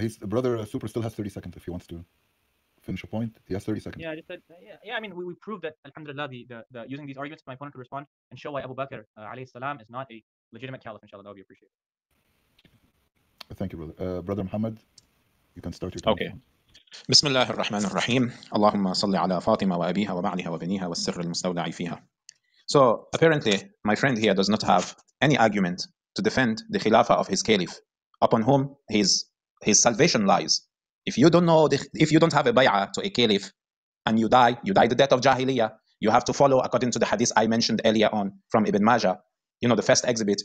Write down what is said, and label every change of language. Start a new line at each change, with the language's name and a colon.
English: His brother Super still has 30 seconds if he wants to finish a point. He has 30 seconds. Yeah, I just said, I mean, we proved that, alhamdulillah, the using these arguments, my opponent could respond and show why Abubakr, alayhi salam, is not a legitimate caliph, inshallah. That would be appreciated. Thank you, brother. Brother Muhammad, you can start your time. Okay.
Arabic: بسم الله الرحمن الرحيم اللهم صل على فاطمة وأبيها وبعلها وبنيها والسر المستودع فيها.
English: So apparently my friend here does not have any argument to defend the khilafah of his caliph, upon whom his salvation lies. If you don't have a bay'ah to a caliph and you die the death of jahiliyyah, you have to follow according to the hadith I mentioned earlier on from Ibn Majah, you know, the first exhibit.